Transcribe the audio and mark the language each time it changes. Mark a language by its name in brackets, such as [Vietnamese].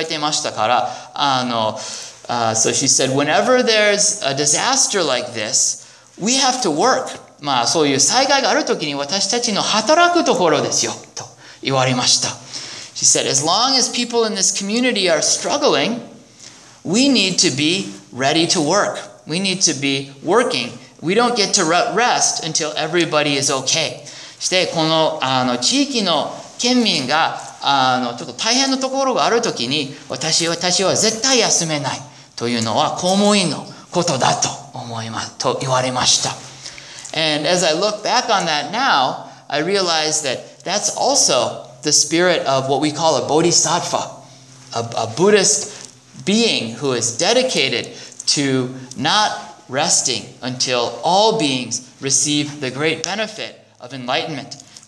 [Japanese] 私は公務員、特別公務員として、県庁に働いていましたから、so [English] she said, whenever there's a disaster like this, we have to work. [Japanese] そういう災害がある時に私たちの働くところですよ、と言われました。 [English] She said, as long as people in this community are struggling, we need to be ready to work. We need to be working. We don't get to rest until everybody is okay. [Japanese] そして、この地域の県民が、ちょっと大変なところがあるときに、私は絶対休めないというのは公務員のことだと言われました。 [English] And as I look back on that now, I realize that that's also the spirit of what we call a bodhisattva, a Buddhist being who is dedicated to not resting until all beings receive the great benefit of enlightenment.